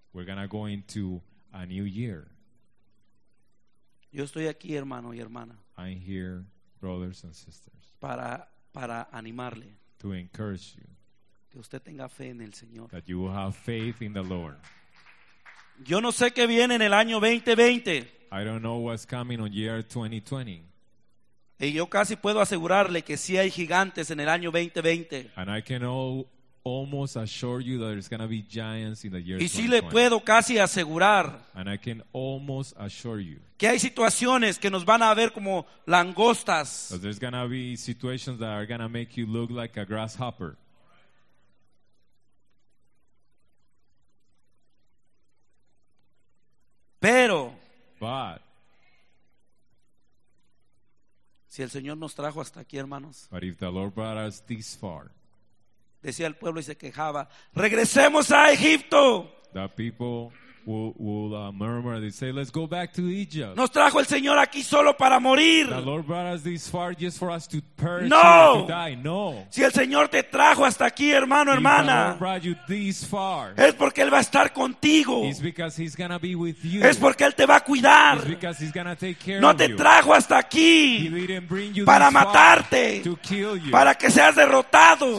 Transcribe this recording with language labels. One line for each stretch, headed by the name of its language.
English: We're gonna go into a new year.
Spanish: Yo estoy aquí, hermano y hermana.
English: I'm here, brothers and sisters.
Spanish: Para animarle.
English: To encourage you.
Spanish: Que usted tenga fe en el Señor.
English: That you will have faith in the Lord.
Spanish: Yo no sé qué viene en el año 2020.
English: I don't know what's coming on year 2020.
Spanish: Y yo casi puedo asegurarle que sí hay gigantes en el año 2020.
English: And I can almost assure you that there's going to be giants in the year 2020.
Spanish: Y si le puedo casi asegurar.
English: And I can almost assure you.
Spanish: Que hay situaciones que nos van a ver como langostas.
English: There's going to be situations that are going to make you look like a grasshopper.
Spanish: Pero.
English: But.
Spanish: Si el Señor nos trajo hasta aquí, hermanos.
English: But if the Lord brought us this far.
Spanish: Decía el pueblo y se quejaba. ¡Regresemos a Egipto!
English: The people will murmur. They say, let's go back to Egypt.
Spanish: Nos trajo el Señor aquí solo para morir.
English: The Lord brought us this far just for us to perish.
Spanish: No.
English: To die. No.
Spanish: Si el Señor te trajo hasta aquí, hermano,
English: if
Spanish: hermana.
English: The Lord brought you this far.
Spanish: Es porque Él va a estar contigo.
English: It's because He's gonna be with you.
Spanish: Es porque Él te va a cuidar.
English: It's because He's gonna take care
Spanish: no
English: of
Spanish: te
English: you.
Spanish: Trajo hasta aquí.
English: He didn't bring you
Spanish: para
English: this
Spanish: matarte.
English: Far to kill you.
Spanish: Para que seas derrotado.